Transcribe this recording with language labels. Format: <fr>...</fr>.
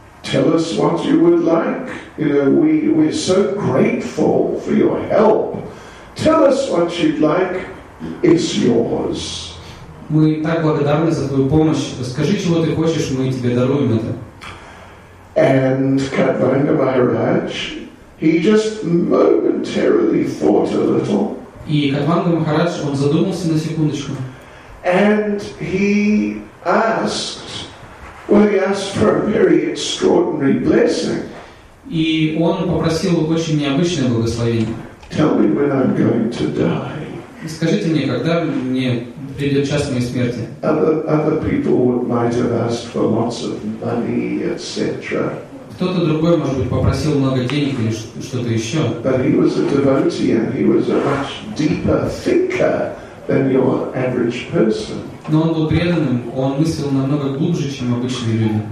<en>Tell us what you would like. You know, we're so grateful for your help. Tell us what you'd like. It's yours.</en> <ru>Мы так благодарны за твою помощь. Скажи, чего ты хочешь, мы тебе даруем это.</ru> <en>And Katvanga Maharaj, he just momentarily thought a little.</en> <ru>И Катванга Махарадж, он задумался на секундочку.</ru> <en>And he asked for a very extraordinary blessing.</en> <ru>И он попросил очень необычное благословение.</ru> <en>Tell me when I'm going to die.</en> <ru>Скажите мне, когда мне придет час моей смерти?</ru> <en>Other people might have asked for lots of money, etc.</en> <ru>Кто-то другой, может быть, попросил много денег или что-то еще.</ru> <en>But he was a devotee and he was a much deeper thinker than your average person.</en> <ru>Но он был преданным, он мыслил намного глубже, чем обычные люди.</ru>